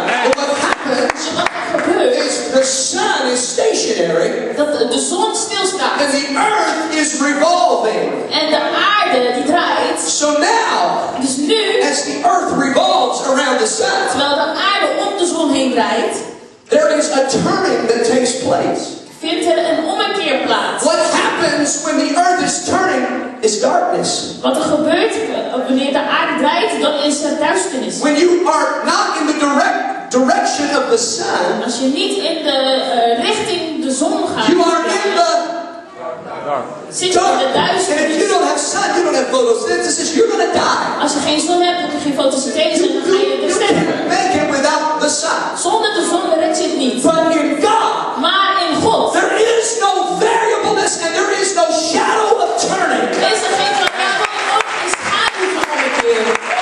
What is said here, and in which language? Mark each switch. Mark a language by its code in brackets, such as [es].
[en] Well, what happens is the sun is stationary. [nl] Dat de zon stilstaat. [en] And the earth is revolving. [nl] En de aarde die draait. [en] So now. [nl] Dus nu. [en] As the earth revolves around the sun. [nl] Terwijl de aarde om de zon heen draait. [en] There is a turning that takes place. [nl] Vindt er een ommekeer plaats. [en] What happens when the earth is turning is darkness. [nl] Wat er gebeurt wanneer de aarde draait, dan is er duisternis. [en] When you are not in the direction of the sun. [nl] Als je niet in de richting de zon gaat. [en] You are in the dark. And if you don't have sun, you don't have photosynthesis, you're going to die. [nl] Als je geen zon hebt, heb je geen photosynthesis, dan ga je sterven. [en] You can't make it without the sun. [nl] Zonder de zon redt je het niet. [en] But in God, [nl] maar in God, [en] there is no variableness and there is no shadow of turning. [nl] Is er geen schaduw van ommekeer.